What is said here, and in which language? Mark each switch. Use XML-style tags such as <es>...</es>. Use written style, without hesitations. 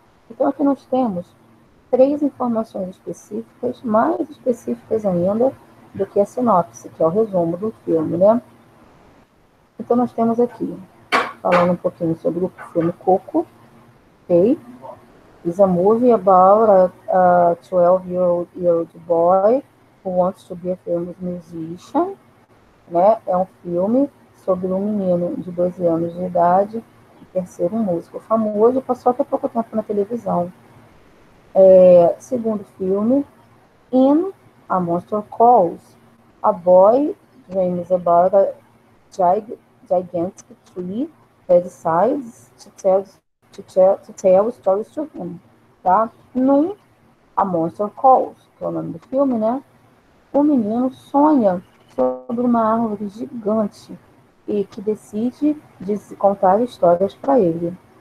<pt>Então, aqui nós temos três informações específicas, mais específicas ainda do que a sinopse, que é o resumo do filme, né? Então, nós temos aqui, falando um pouquinho sobre o filme Coco, ok?</pt> <en>It's a movie about a 12-year-old boy who wants to be a famous musician, né?</en> <pt>É um filme sobre um menino de 12 anos de idade que quer ser um músico famoso, passou até pouco tempo na televisão. Segundo filme,</pt> <en>In a Monster Calls, a boy dreams about a gigantic tree that decides to tell stories to him.</en> <pt>Tá? Num A Monster Calls, que é o nome do filme, né? O menino sonha sobre uma árvore gigante e que decide de contar histórias para ele.</pt>